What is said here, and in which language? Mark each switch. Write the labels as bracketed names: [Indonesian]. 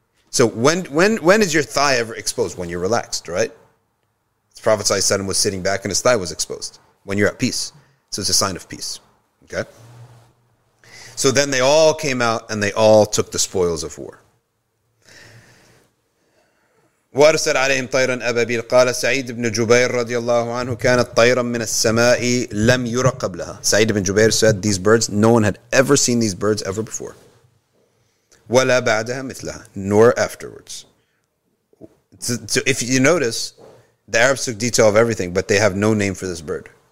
[English] So when is your thigh ever exposed? When you're relaxed, right? The Prophet ﷺ was sitting back and his thigh was exposed. When you're at peace. So it's a sign of peace. Okay? So then they all came out and they all took the spoils of war. [Arabic] وارسل عليهم طيرا أبابيل قال سعيد بن جبير رضي الله عنه كانت طيرا من السماء لم يرى قبلها. [English] سعيد بن جبير said these birds, no one had ever seen these birds ever before. [Arabic] ولا بعدها مثلها, [English] nor afterwards. So if you notice, the Arabs took detail of everything, but they have no name for this bird.